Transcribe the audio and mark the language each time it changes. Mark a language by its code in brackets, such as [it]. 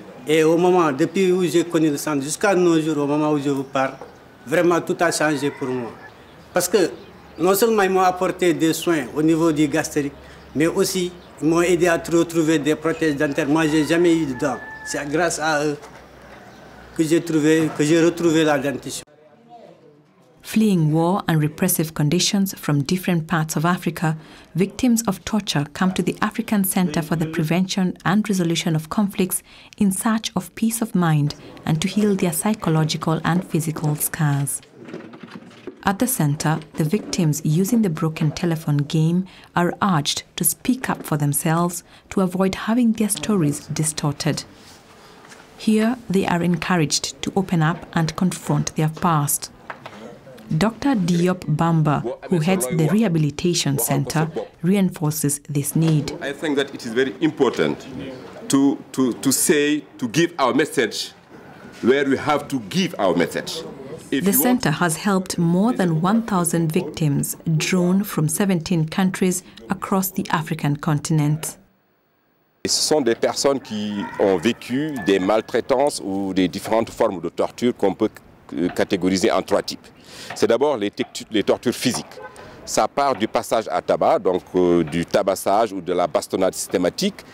[fr] Et au moment, depuis où j'ai connu le centre jusqu'à nos jours, au moment où je vous parle, vraiment tout a changé pour moi. Parce que non seulement ils m'ont apporté des soins au niveau du gastrique, mais aussi ils m'ont aidé à trouver des prothèses dentaires. Moi, je n'ai jamais eu de dents. C'est grâce à eux que j'ai retrouvé la dentition. [en] Fleeing war and repressive conditions from different parts of Africa, victims of torture come to the African Center for the Prevention and Resolution of Conflicts in search of peace of mind and to heal their psychological and physical scars. At the center, the victims using the broken telephone game are urged to speak up for themselves to avoid having their stories distorted. Here, they are encouraged to open up and confront their past. Dr. Diop Bamba, who heads the rehabilitation center, reinforces this need. I think that it is very important to give our message where we have to give our message. The center has helped more than 1,000 victims drawn from 17 countries across the African continent. [fr] Ce sont des personnes qui ont vécu des maltraitances ou des différentes formes de torture qu'on peut catégoriser en trois types. C'est d'abord les tortures physiques. Ça part du passage à tabac, donc du tabassage ou de la bastonnade systématique.